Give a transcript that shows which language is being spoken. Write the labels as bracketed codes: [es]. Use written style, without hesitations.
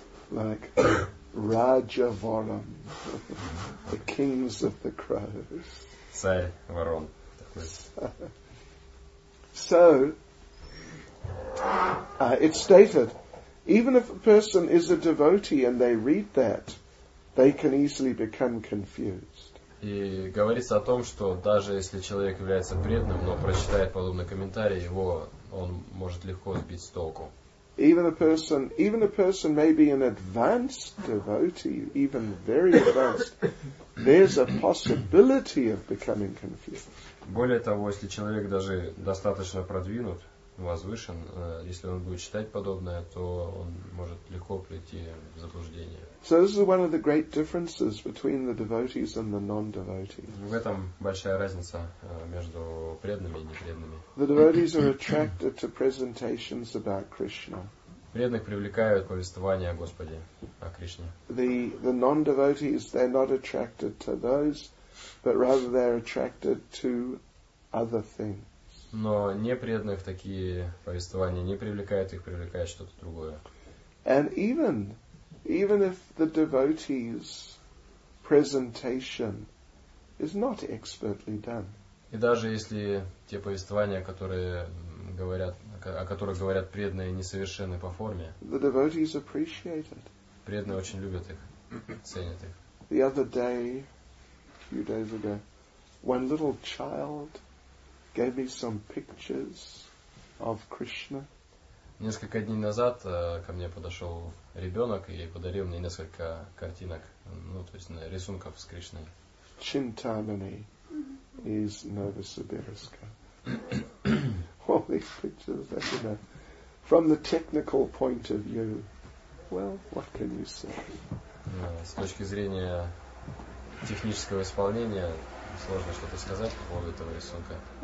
[en] Like Rajavaram, the kings of the crows. [ru] Царь ворон. Такой. [en] So, it's stated, even if a person is a devotee and they read that, they can easily become confused. [ru] И говорится о том, что даже если человек является преданным, но прочитает подобный комментарий, его он может легко сбить с толку. [en] Even a person may be an advanced devotee, even very advanced, there's a possibility of becoming confused. [ru] Более того, если человек даже достаточно продвинут, возвышен, если он будет читать подобное, то он может легко прийти в заблуждение. [en] So this is one of the great differences between the devotees and the non-devotees. [ru] В этом большая разница между преданными и непреданными. [en] The devotees are attracted to presentations about Krishna. [ru] Преданных привлекают повествования о Господе, о Кришне. [en] The non-devotees, they're not attracted to those, but rather they're attracted to other things. [ru] Но непреданных такие повествования не привлекают, их привлекает что-то другое. [en] And even if the devotee's presentation is not expertly done. [ru] И даже если те повествования, которые говорят, о которых говорят преданные, несовершенны по форме. [en] The devotees appreciate it. [ru] Преданные очень любят их, ценят их. [en] The other day, a few days ago, one little child gave me some pictures of Krishna. [ru] Несколько дней назад ко мне подошел ребенок и подарил мне несколько картинок, ну то есть рисунков с Кришной. Chintamani из Новосибирска. [en] All these pictures, that, you know, from the technical point of view, well, what can you say? [ru] С точки зрения технического исполнения. Сложно что-то сказать по поводу этого рисунка.